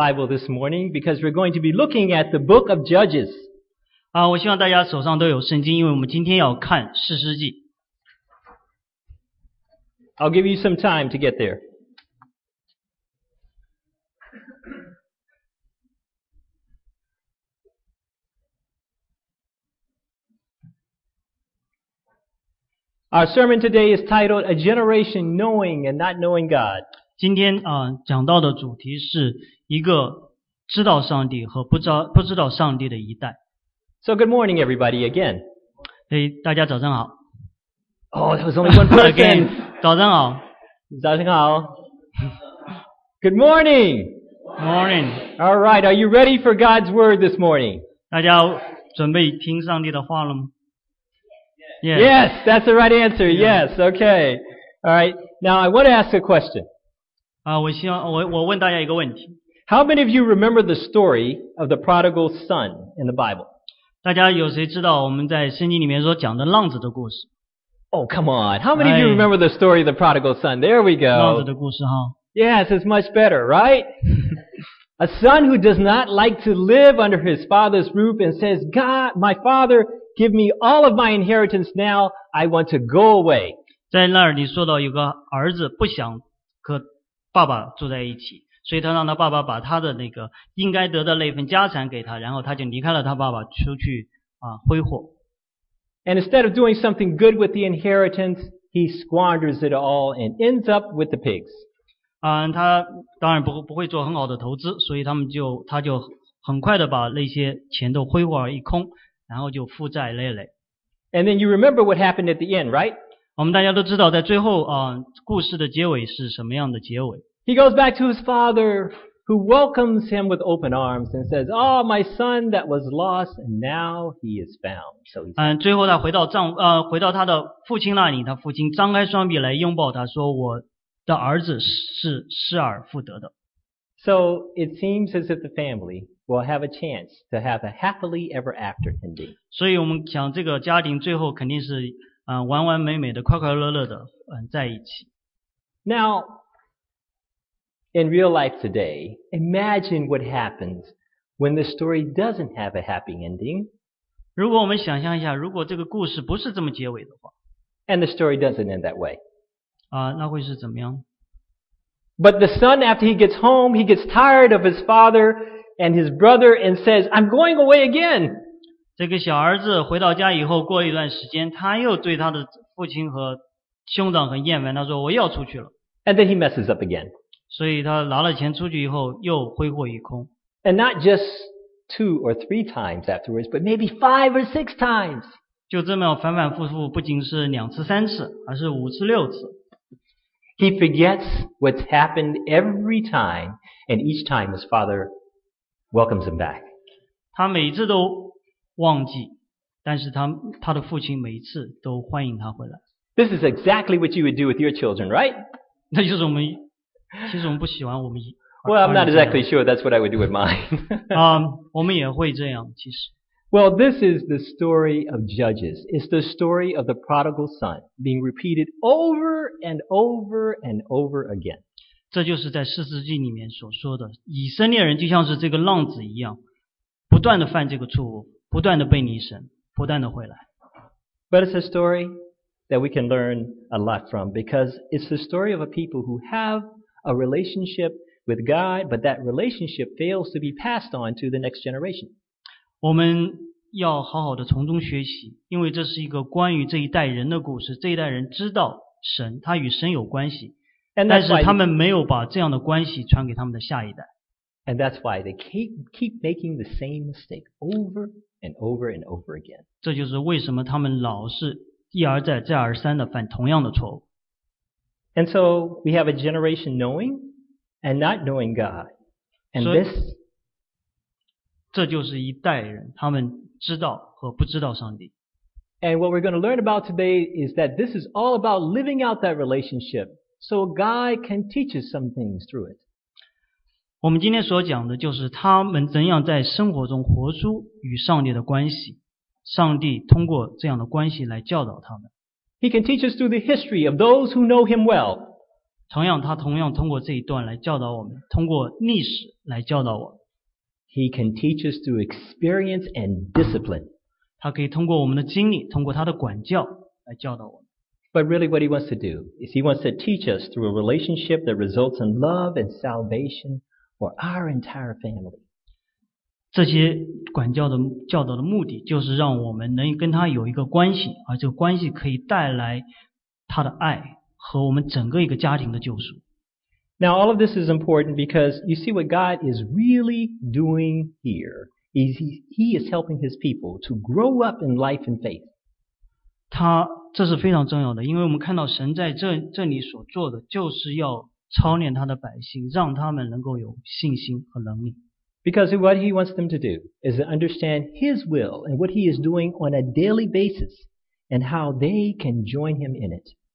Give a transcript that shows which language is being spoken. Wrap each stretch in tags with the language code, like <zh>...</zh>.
<en>Bible this morning because we're going to be looking at the book of Judges.</en> <zh>我希望大家手上都有圣经，因为我们今天要看士师记。</zh> <en>I'll give you some time to get there. Our sermon today is titled A Generation Knowing and Not Knowing God.</en> <zh>今天讲到的主题是一个知道上帝和不知道上帝的一代。</zh> <en>So good morning, everybody, again.</en> <zh>Hey, 大家早上好。</zh> <en>Oh, that was only one person. Again,</en> <zh>早上好。早上好。</zh> <en>Good morning. Morning. All right, are you ready for God's word this morning?</en> <zh>大家准备听上帝的话了吗？</zh> <en>Yes. Yes, that's the right answer. Yeah. Yes, okay. All right, now I want to ask a question.</en> <zh>我问大家一个问题。</zh> <en>How many of you remember the story of the prodigal son in the Bible?</en> <zh>大家有谁知道我们在圣经里面所讲的浪子的故事？</zh> <en>Oh, come on. How many of you remember the story of the prodigal son? There we go.</en> <zh>浪子的故事哈。</zh> <en>Yes, it's much better, right? A son who does not like to live under his father's roof and says, God, my father, give me all of my inheritance now. I want to go away.</en> <zh>在那儿你说到有个儿子不想和爸爸住在一起。所以他让他爸爸把他的那个应该得的那份家产给他，然后他就离开了他爸爸，出去挥霍。</zh> <en>And instead of doing something good with the inheritance, he squanders it all and ends up with the pigs.</en> <zh>他当然不会做很好的投资，所以他就很快的把那些钱都挥霍一空，然后就负债累累。</zh> <en>And then you remember what happened at the end, right?</en> <zh>我们大家都知道，在最后故事的结尾是什么样的结尾。</zh> <en>He goes back to his father, who welcomes him with open arms and says, Oh, my son that was lost, and now he is found. So he's</en> <zh>最后他回到他的父亲那里，他父亲张开双臂来拥抱他，说我的儿子是失而复得的。</zh> <en>So it seems as if the family will have a chance to have a happily ever after ending.</en> <zh>所以我们想这个家庭最后肯定是完完美美的快快乐乐的在一起。</zh> <en>Now,In real life today, imagine what happens when the story doesn't have a happy ending.</en> <zh>如果我们想象一下，如果这个故事不是这么结尾的话。</zh> <en>And the story doesn't end that way.</en> <zh>那会是怎么样？</zh> <en>But the son, after he gets home, he gets tired of his father and his brother and says, I'm going away again.</en> <zh>这个小儿子回到家以后，过一段时间，他又对他的父亲和兄长很厌烦，他说我要出去了。</zh> <en>And then he messes up again.</en> <zh>所以他拿了钱出去以后又挥霍一空。</zh> <en>And not just two or three times afterwards, but maybe five or six times.</en> <zh>就这么反反复复不仅是两次三次而是五次六次。</zh> <en>He forgets what's happened every time, and each time his father welcomes him back.</en> <zh>他每次都忘记但是他的父亲每一次都欢迎他回来。</zh> <en>This is exactly what you would do with your children, right?</en> <zh>那就是我们其实我们不喜欢我们。</zh> <en>Well, I'm not exactly sure that's what I would do with mine.</en> <zh>我们也会这样，其实。</zh> <en>Well, this is the story of Judges. It's the story of the prodigal son being repeated over and over and over again.</en> <zh>这就是在士师记里面所说的，以色列人就像是这个浪子一样，不断的犯这个错误，不断的背离神，不断的回来。</zh> <en>But it's a story that we can learn a lot from because it's the story of a people who have. A relationship with God, but that relationship fails to be passed on to the next generation.</en> <zh>我们要好好的从中学习，因为这是一个关于这一代人的故事。这一代人知道神，他与神有关系，但是他们没有把这样的关系传给他们的下一代。</zh> <en>And that's why they keep making the same mistake over and over and over again.</en> <zh>这就是为什么他们老是一而再、再而三的犯同样的错误。</zh> <en>And so we have a generation knowing and not knowing God. And this,</en> <zh>这就是一代人，他们知道和不知道上帝。</zh> <en>And what we're going to learn about today is that this is all about living out that relationship so a guy can teach us some things through it.</en> <zh>我们今天所讲的就是他们怎样在生活中活出与上帝的关系，上帝通过这样的关系来教导他们。</zh> <en>He can teach us through the history of those who know him well.</en> <zh>同样他同样通过这一段来教导我们，通过历史来教导我们。</zh> <en>He can teach us through experience and discipline.</en> <zh>他可以通过我们的经历，通过他的管教来教导我们。</zh> <en>But really what he wants to do is he wants to teach us through a relationship that results in love and salvation for our entire family.</en> <zh>这些管教的教导的目的就是让我们能跟他有一个关系，而这个关系可以带来他的爱和我们整个一个家庭的救赎。</zh> <en>Now all of this is important because you see what God is really doing here is he is helping his people to grow up in life and faith.</en> <zh>他这是非常重要的，因为我们看到神在 这里所做的就是要操练他的百姓，让他们能够有信心和能力。</zh> <en>Because what he wants them to do is to understand his will and what he is doing on a daily basis and how they can join him in it.</en>